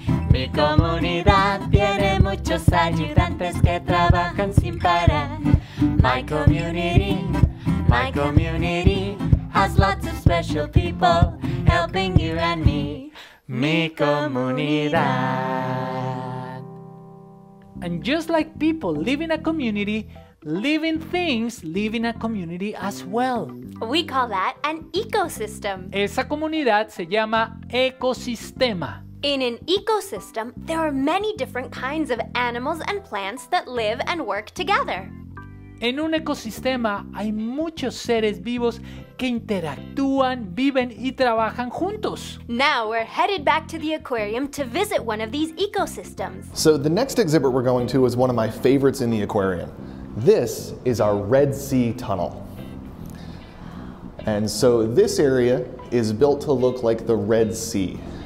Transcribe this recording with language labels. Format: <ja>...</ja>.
<es>Mi comunidad tiene muchos ayudantes que trabajan sin parar.</es> <en>My community has lots of special people helping you and me.</en> <es>Mi comunidad.</es> <en>And just like people live in a community, living things live in a community as well. We call that an ecosystem.</en> <es>Esa comunidad se llama ecosistema.</es> <en>In an ecosystem, there are many different kinds of animals and plants that live and work together.</en> <es>En un ecosistema hay muchos seres vivos que interactúan, viven y trabajan juntos.</es> <en>Now we're headed back to the aquarium to visit one of these ecosystems. So the next exhibit we're going to is one of my favorites in the aquarium. This is our Red Sea Tunnel. And so this area is built to look like the Red Sea.</en>